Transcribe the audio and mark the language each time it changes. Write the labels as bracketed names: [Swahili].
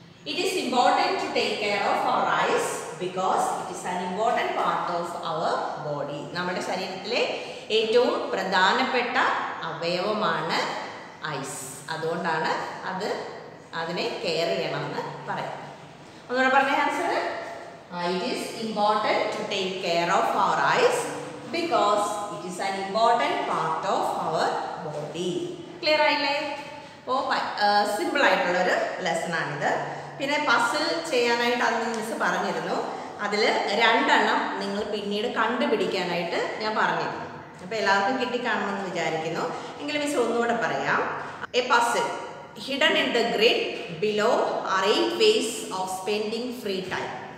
[English] It is important to take care of our eyes because it is an important part of our body. [Malayalam] നമ്മുടെ ശരീരത്തിലെ ഏറ്റവും പ്രധാനപ്പെട്ട അവയവമാണ് ice. അതുകൊണ്ടാണ് അത് അതിനെ കെയർ ചെയ്യണമെന്ന് പറയുന്നത്. ഒന്നുകൂടെ പറഞ്ഞ answer, [English] it is important to take care of our eyes because it is an important part of our body. [Malayalam] Clear ആയില്ലേ? ഓ, സിമ്പിൾ ആയിട്ടുള്ള ഒരു ലെസൺ ആണിത്. പിന്നെ പസിൽ ചെയ്യാനായിട്ട് അന്ന് മിസ് പറഞ്ഞിരുന്നു, അതിൽ രണ്ടെണ്ണം നിങ്ങൾ പിന്നീട് കണ്ടുപിടിക്കാനായിട്ട് ഞാൻ പറഞ്ഞിരുന്നു. അപ്പോൾ എല്ലാവർക്കും കിട്ടിക്കാണണമെന്ന് വിചാരിക്കുന്നു. എങ്കിൽ മിസ് ഒന്നുകൂടെ പറയാം. [English] A puzzle hidden in the grid below are 8 ways of spending free time.